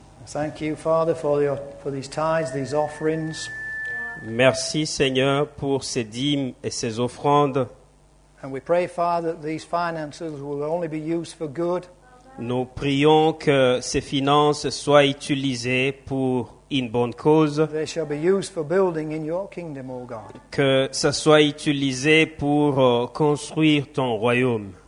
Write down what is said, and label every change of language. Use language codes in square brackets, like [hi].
[en] Thank you, Father, for these tithes, these offerings. [fr] Merci, Seigneur, pour ces dîmes et ces offrandes. [en] And we pray, Father, that these finances will only be used for good. [fr] Nous prions que ces finances soient utilisées pour une bonne cause. [en] They shall be used for building in your kingdom, O God. [fr] Que ça soit utilisé pour construire ton royaume.